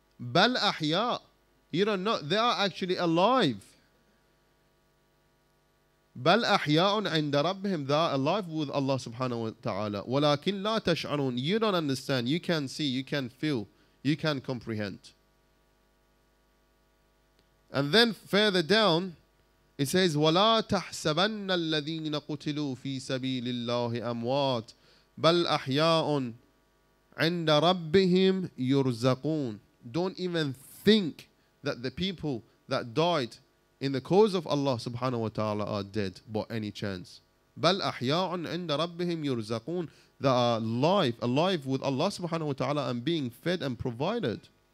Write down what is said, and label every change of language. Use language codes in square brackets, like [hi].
[ar] بَلْ أَحْيَاءِ. [en] You don't know, they are actually alive. [ar] بَلْ أَحْيَاءٌ عِنْدَ رَبِّهِمْ, [en] they are alive with Allah subhanahu wa ta'ala. [ar] وَلَكِنْ لَا تَشْعَرُونَ. [en] You don't understand, you can see, you can feel, you can comprehend. And then further down, it says, [ar] وَلَا تَحْسَبَنَّ الَّذِينَ قُتِلُوا فِي سَبِيلِ اللَّهِ أَمْوَاتٌ بَلْ أَحْيَاءٌ عِنْدَ رَبِّهِمْ يُرْزَقُونَ. [en] Don't even think that the people that died in the cause of Allah subhanahu wa ta'ala are dead by any chance. [ar] بَلْ أَحْيَاءٌ عِنْدَ رَبِّهِمْ يُرْزَقُونَ. [en] That are alive with Allah subhanahu wa ta'ala and being fed and provided.